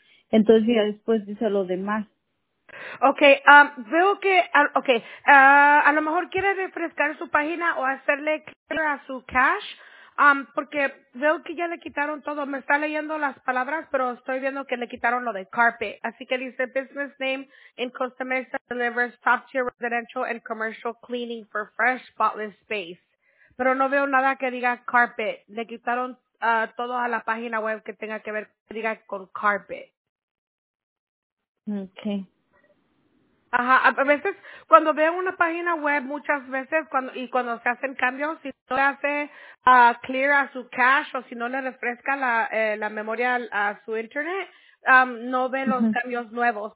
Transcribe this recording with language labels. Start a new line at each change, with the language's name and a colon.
Spanish: Entonces ya después dice lo demás. Okay, veo que, okay, a lo mejor quiere refrescar su página o hacerle clear a su cache. Porque veo que ya le quitaron todo. Me está leyendo las palabras, pero estoy viendo que le quitaron lo de carpet. Así que dice,
English: business name in Costa Mesa delivers top-tier residential and commercial cleaning for fresh, spotless space.
Spanish: Pero no veo nada que diga carpet. Le quitaron todo a la página web que tenga que ver que diga con carpet. Okay. Ajá, a veces cuando veo una página web muchas veces cuando se hacen cambios, si no le hace clear a su cache o si no le refresca la memoria a su internet, no ve los cambios nuevos.